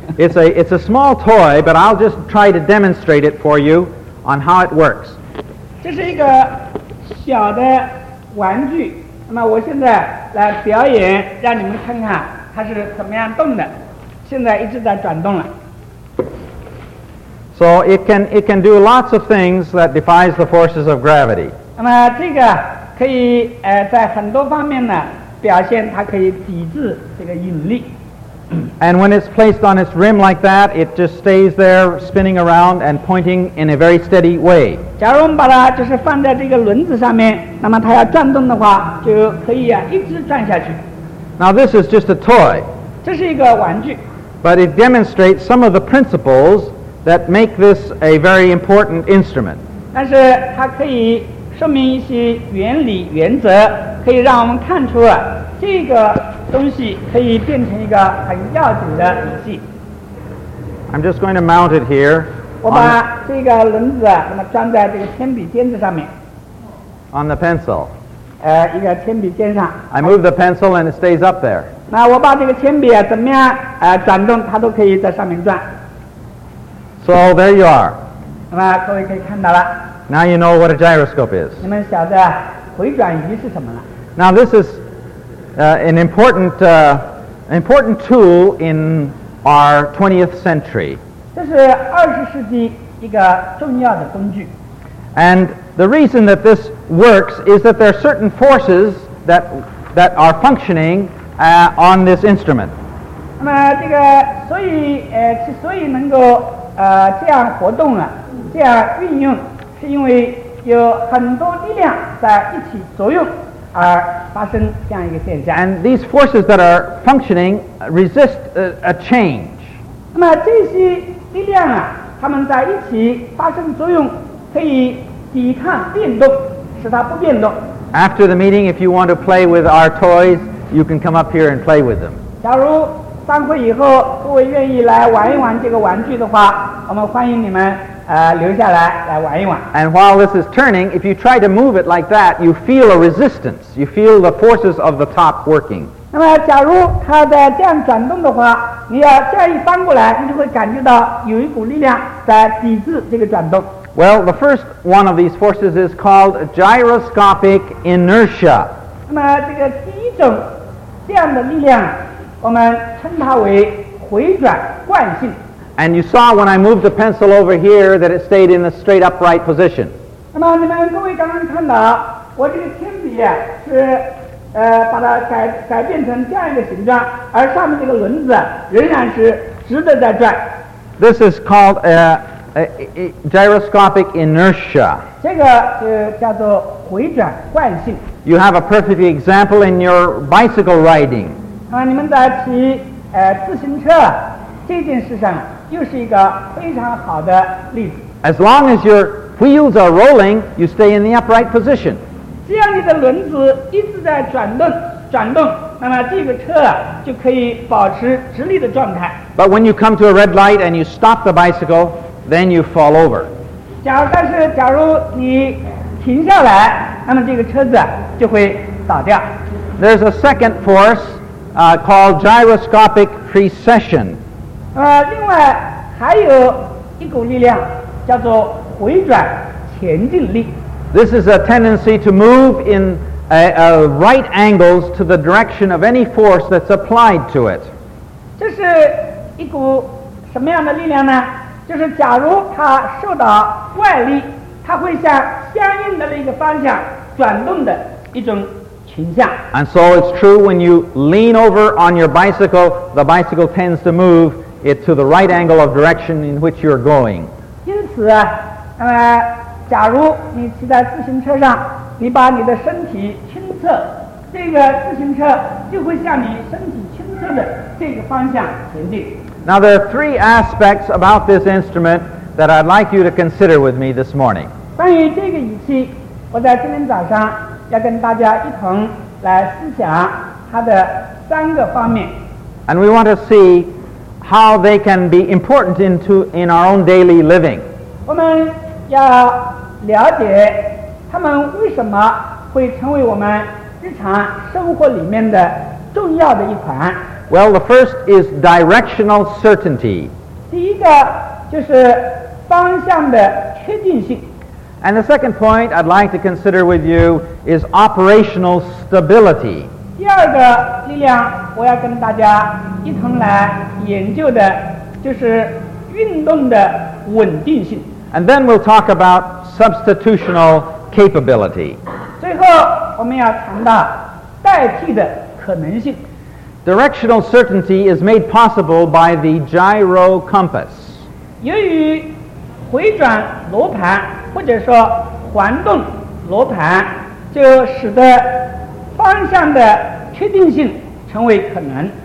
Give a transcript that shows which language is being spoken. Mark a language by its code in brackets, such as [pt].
[en] It's a small toy, but I'll just try to demonstrate it for you on how it works. [zh] 这是一个小的玩具。那么我现在来表演，让你们看看它是怎么样动的。现在一直在转动了。 [en] So it can do lots of things that defies the forces of gravity. [zh] 那么这个可以在很多方面呢表现它可以抵制这个引力。 [en] And when it's placed on its rim like that, it just stays there spinning around and pointing in a very steady way. [zh] 假如我们把它就是放在这个轮子上面，那么它要转动的话，就可以一直转下去。 [en] Now this is just a toy. [zh] 这是一个玩具。 [en] But it demonstrates some of the principles that make this a very important instrument. [zh] 但是它可以说明一些原理原则，可以让我们看出啊，这个东西可以变成一个很要紧的仪器。 [en] I'm just going to mount it here. [zh] 我把这个轮子啊，那么装在这个铅笔尖子上面。 [en] On the pencil. [zh] 一个铅笔尖上。 [en] I move the pencil and it stays up there. [zh] 那我把这个铅笔啊，怎么样转动，它都可以在上面转。 [en] So there you are. [zh] 那么各位可以看到了。 [en] Now you know what a gyroscope is. [zh] 你们晓得回转仪是什么了。 [en] Now this is an important tool in our 20th century. [zh] 这是二十世纪一个重要的工具。 [en] And the reason that this works is that there are certain forces that are functioning on this instrument. [zh] 那么这个所以能够这样活动啊，这样运用。是因为有很多力量在一起作用而发生这样一个现象。 [en] And these forces that are functioning resist a change. [zh] 那么这些力量啊，它们在一起发生作用，可以抵抗变动，使它不变动。 [en] After the meeting, if you want to play with our toys, you can come up here and play with them. [zh] 假如散会以后各位愿意来玩一玩这个玩具的话，我们欢迎你们。留下来来玩一玩。 [en] And while this is turning, if you try to move it like that, you feel a resistance. You feel the forces of the top working. [zh] 那么假如它在这样转动的话，你要这样一翻过来，你就会感觉到有一股力量在抵制这个转动。 [en] Well, the first one of these forces is called gyroscopic inertia. [zh] 那么这个第一种这样的力量，我们称它为回转惯性。 [en] And you saw when I moved the pencil over here that it stayed in a straight upright position. [zh] 那么你们各位刚刚看到我这个铅笔啊，是把它改变成这样一个形状，而上面这个轮子仍然是直的在转。 [en] This is called gyroscopic inertia. [zh] 这个叫做回转惯性。 [en] You have a perfect example in your bicycle riding. [zh] 那么你们在骑自行车这件事上。又是一个非常好的例子。 [en] As long as your wheels are rolling, you stay in the upright position. [zh] 只要你的轮子一直在转动，那么这个车啊就可以保持直立的状态。 [en] But when you come to a red light and you stop the bicycle, then you fall over. [zh] 但是假如你停下来，那么这个车子啊就会倒掉。 [en] There's a second force, called gyroscopic precession. [zh] 另外还有一股力量叫做回转前进力。 [en] This is a tendency to move in a right angles to the direction of any force that's applied to it. [zh] 这是一股什么样的力量呢？就是假如它受到外力，它会向相应的一个方向转动的一种倾向。 [en] And so it's true when you lean over on your bicycle, the bicycle tends to move it to the right angle of direction in which you're going. [zh] 因此啊，假如你骑在自行车上，你把你的身体倾侧，这个自行车就会向你身体倾侧的这个方向前进。 [en] Now there are three aspects about this instrument that I'd like you to consider with me this morning. [zh] 关于这个仪器，我在今天早上要跟大家一同来思想它的三个方面。 [en] And we want to see how they can be important in our own daily living. [zh] 我们要了解它们为什么会成为我们日常生活里面的重要的一款。 [en] Well, the first is directional certainty. [zh] 第一个就是方向的确定性。 [en] And the second point I'd like to consider with you is operational stability. [zh] 第二个力量我要跟大家一同来研究的就是运动的稳定性。 [en] And then we'll talk about substitutional capability. [zh] 最后我们要谈到代替的可能性。 [en] Directional certainty is made possible by the gyro compass. [zh] 由于回转罗盘或者说环动罗盘，就使得方向的确定性成为可能。